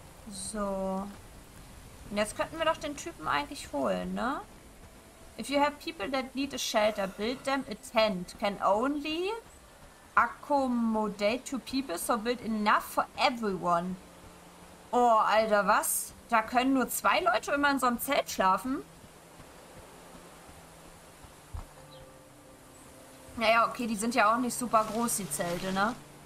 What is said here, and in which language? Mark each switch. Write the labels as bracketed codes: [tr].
[de] So. Und jetzt könnten wir doch den Typen eigentlich holen, ne? [en] If you have people that need a shelter, build them a tent. Can only accommodate two people, so build enough for everyone. [de] Oh, Alter, was? Da können nur 2 Leute immer in so einem Zelt schlafen? Naja, okay, die sind ja auch nicht super groß, die Zelte, ne?